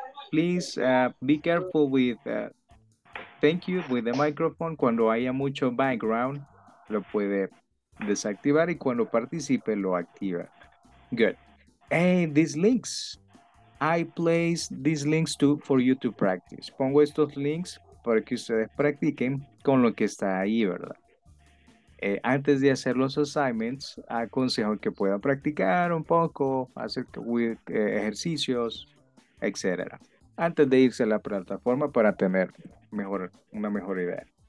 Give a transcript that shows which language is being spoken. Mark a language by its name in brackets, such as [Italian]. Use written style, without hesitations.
[English] Please be careful with, thank you, with the microphone. [Spanish] Cuando haya mucho background, lo puede desactivar y cuando participe, lo activa. [English] Good. Hey, these links, I place these links to for you to practice. [Spanish] Pongo estos links para que ustedes practiquen con lo que está ahí, ¿verdad? Antes de hacer los assignments, aconsejo que pueda practicar un poco, hacer ejercicios, etc. Antes de irse a la plataforma para tener mejor, una mejor idea.